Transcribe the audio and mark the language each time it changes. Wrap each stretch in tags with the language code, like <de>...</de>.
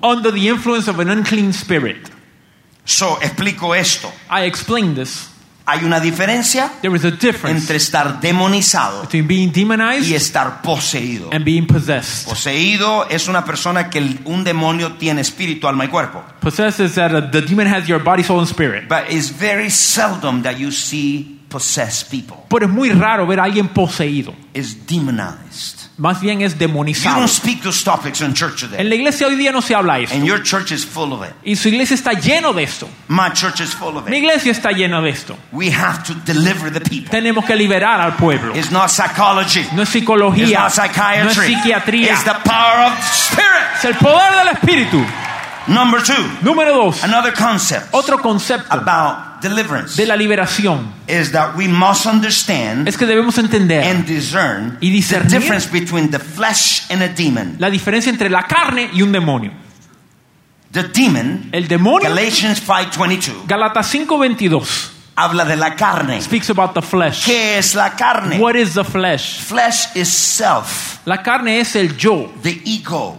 <en>Under the influence of an unclean spirit.</en> <es>So, explico esto.</es> <en>I explain this.</en> <es>Hay una diferencia.</es> <en>There is a difference</en> <es>entre estar demonizado</es> <en>between being demonized</en> <es>y estar poseído.</es> <en>And being possessed.</en> <es>Poseído es una persona que un demonio tiene espíritu, alma y cuerpo.</es> <en>Possessed is that the demon has your body, soul, and spirit. But it's very seldom that you see possessed people.</en> <es>Pero es muy raro ver a alguien poseído.</es> <en>Is demonized.</en> <es>Más bien es demonizado.</es> <en>You don't speak those topics in church today.</en> <es>En la iglesia hoy día no se habla esto.</es> <en>And your church is full of it.</en> <es>Y su iglesia está lleno de esto.</es> <en>My church is full of it.</en> <es>Mi iglesia está llena de esto.</es> <en>We have to deliver the people.</en> <es>Tenemos que liberar al pueblo.</es> <en>It's not psychology.</en> <es>No es psicología.</es> <en>It's not psychiatry.</en> <es>No es psiquiatría.</es> <en>It's the power of the spirit.</en> <es>Es el poder del espíritu.</es> <en>Number two.</en> <es>Número dos.</es> <en>Another concept.</en> <es>Otro concepto.</es> <en>About deliverance.</en> <es>De la liberación.</es> <en>Is that we must understand,</en> <es>es que debemos entender,</es> <en>and discern,</en> <es>y discernir,</es> <en>the difference between the flesh and a demon.</en> <es>La diferencia entre la carne y un demonio.</es> <en>The demon,</en> <es>el demonio,</es> <en>Galatians 5:22.</en> <es>Galatas 5:22. Habla de la carne.</es> <en>Speaks about the flesh.</en> <es>¿Qué es la carne?</es> <en>What is the flesh? Flesh is self.</en> <es>La carne es el yo.</es> <en>The ego.</en>